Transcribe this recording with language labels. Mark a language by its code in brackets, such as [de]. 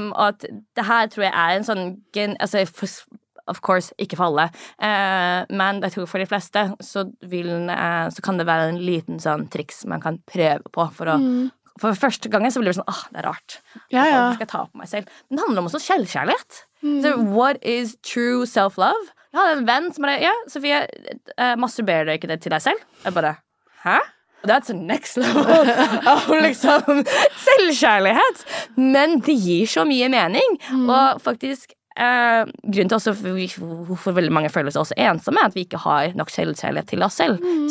[no] Og at det her tror jeg en sånn, altså, [en] of course, [no] ikke for alle. Men jeg tror for de fleste så, så kan det være en liten sånn triks man kan prøve på for å for første gangen så blir det sånn, det rart. Ja, ja. Jeg skal ta på meg selv. Men det handler om også selvkjærlighet. [en] So, what is true self-love? [no] Jeg hadde en venn som bare, Sofie, masturberer du ikke det til deg selv? Jeg bare, hæ? [en] That's next level [no] av liksom selvkjærlighet. Men det gir så mye mening. Mm. Og faktisk, grunnen til også hvorfor veldig mange føler seg også ensomme, at vi ikke har nok selvkjærlighet til oss selv. Mm.